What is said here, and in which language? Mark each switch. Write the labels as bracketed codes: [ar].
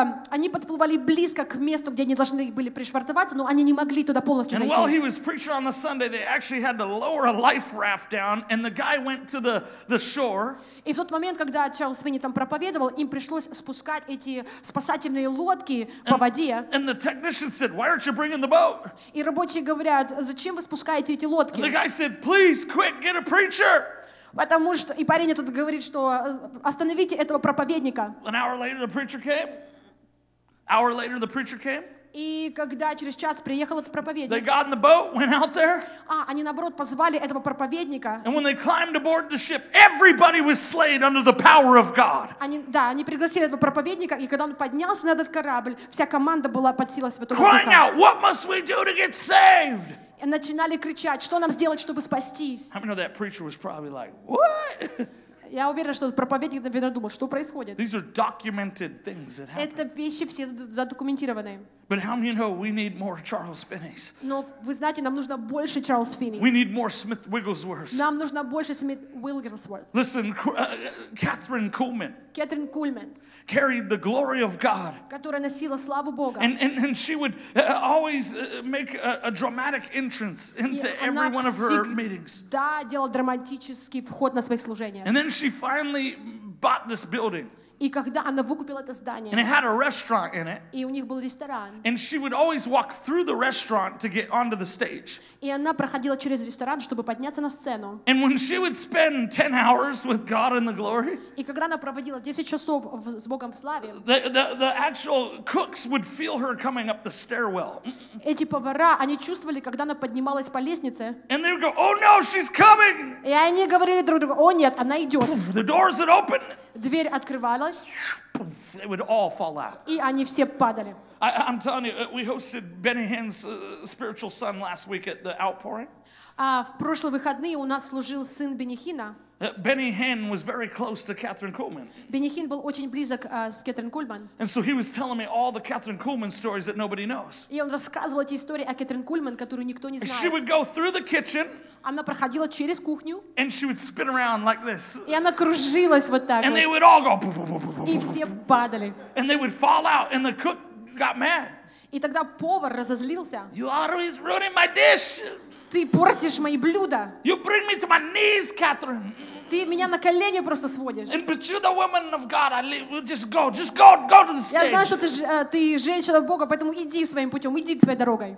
[ru] Они подплывали близко к месту, где они должны были пришвартоваться, но они не могли туда полностью зайти. [en] And while he was preaching on the Sunday, they actually had to lower a life raft down, and the guy went to the shore. [ru] И в тот момент, когда Чарльз Финни там проповедовал, им пришлось спускать эти спасательные лодки по воде. [en] And the technician said, "Why aren't you bringing the boat?" [ru] И рабочие говорят, зачем вы спускаете эти лодки? [en] And the guy said, "Please, quick, get a preacher." [ru] Потому что и парень этот говорит, что остановите этого проповедника. [en] An hour later the preacher came. Hour later the preacher came. [ru] И когда через час приехал этот проповедник. [en] They got in the boat, went out there. [ru] А они наоборот позвали этого проповедника. [en] And when they climbed aboard the ship, everybody was slain under the power of God. [ru] Они пригласили этого проповедника, и когда он поднялся на этот корабль, вся команда была под силой Святого Духа. [en] Crying out, "What must we do to get saved?" [ru] И начинали кричать, что нам сделать, чтобы спастись? [en] I know that preacher was probably like, "What?" [ru] Я уверен, что проповедник, наверное, думал, что происходит? [en] These are documented things that happen. [ru] Это вещи все задокументированы. [en] But how many know we need more Charles Finneys? [ru] Но вы знаете, нам нужно больше Чарльз Финни. [en] We need more Smith Wigglesworths. [ru] Нам нужно больше Смит Уиглсворт. [en] Listen, Catherine Kuhlman. [ru] Кэтрин Кульман. [en] Carried the glory of God. [ru] Которая носила славу Бога. [en] And she would always make a dramatic entrance into every one of her meetings. [ru] Да, делала драматический вход на своих служениях. [en] And then she finally bought this building. [ru] И когда она выкупила это здание. [en] And it had a restaurant in it. [ru] И у них был ресторан. [en] And she would always walk through the restaurant to get onto the stage. [ru] И она проходила через ресторан, чтобы подняться на сцену. [en] And when she would spend 10 hours with God in the glory. [ru] И когда она проводила 10 часов с Богом в славе. [en] The actual cooks would feel her coming up the stairwell. [ru] Эти повара, они чувствовали, когда она поднималась по лестнице. [en] And they would go, "Oh no, she's coming!" [ru] И они говорили друг другу, "О нет, она идет." [en] The doors would open. [ru] Дверь открывалась. [en] It would all fall out. [ru] И они все падали. [en] I'm telling you, we hosted Benny Hinn's spiritual son last week at the outpouring. [ru] В прошлые выходные у нас служил сын Бенни Хина. [en] Benny Hinn was very close to Catherine Kuhlman. [ru] Бенни Хин был очень близок с Кэтрин Кульман. [en] And so he was telling me all the Catherine Kuhlman stories that nobody knows. [ru] И он рассказывал эти истории о Кэтрин Кульман, которую никто не знает. [en] She would go through the kitchen. [ru] Она проходила через кухню. [en] And she would spin around like this. [ru] И она кружилась вот так. [en] And they would all go. [ru] И все падали. [en] And they would fall out, and the cook got mad. [ru] И тогда повар разозлился. [en] You are always ruining my dish. [ru] Ты портишь мои блюда. [en] You bring me to my knees, Catherine. [ru] Ты меня на колени просто сводишь. [en] And but you're the woman of God. Just go to the stage. [ru] Я знаю, что ты женщина Бога, поэтому иди своим путем, иди своей дорогой.